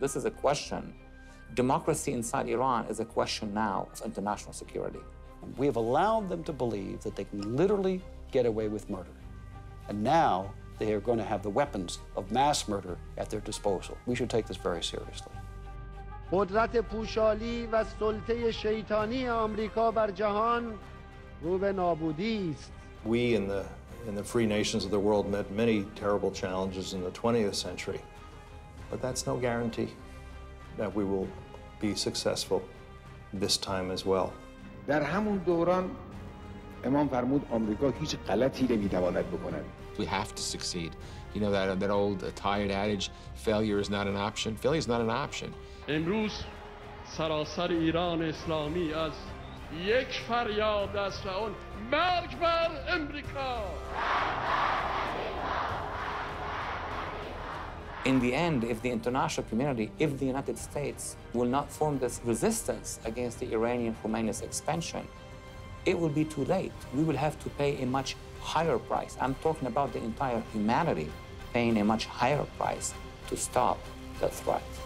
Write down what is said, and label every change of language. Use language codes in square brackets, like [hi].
[en] This is a question. Democracy inside Iran is a question now of international security. We have allowed them to believe that they can literally get away with murder. And now they are going to have the weapons of mass murder at their disposal. We should take this very seriously. [fa] قدرت پوشالی و سلطه شیطانی آمریکا بر جهان رو به نابودی است. [en] We in the free nations of the world met many terrible challenges in the 20th century, but that's no guarantee that we will be successful this time as well. [fa] در همون دوران امام فرمود آمریکا هیچ غلطی نمی‌تواند بکند. [en] We have to succeed. You know that old tired adage, failure is not an option. Failure is not an option. [fa] امروز سراسر ایران اسلامی از یک فریاد است و اون مرگ بر امریکا. [en] In the end, if the international community, if the United States will not form this resistance against the Iranian Khomeini's expansion, it will be too late. We will have to pay a much higher price. I'm talking about the entire humanity paying a much higher price to stop the threat.